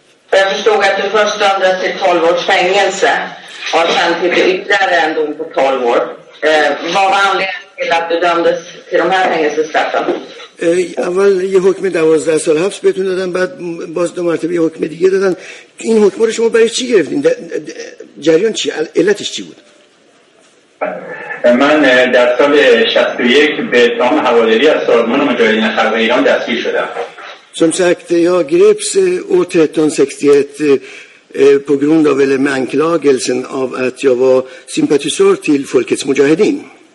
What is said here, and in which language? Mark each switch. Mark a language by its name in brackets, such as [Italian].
[Swedish] Jag förstod att du först dömdes till 12 års fängelse och sen till ytterligare en dom på 12 år. Vad var anledningen till att du dömdes till de här fängelsestraffen? [Persian] اول یه حکم 12 سال حبس بهتون دادن، بعد باز دو مرتبه یه حکم دیگه دادن. این حکم رو شما برای چی گرفتین؟ جریان چی؟ علتش چی بود؟ من در سال 61 به تام حوالری از سالمان مجاهدین خلق ایران دستگیر شدم. [Swedish] Som sagt, jag greps år 1361 på grund av eller med anklagelsen av att jag var sympatisör till Folkets Mujahedin.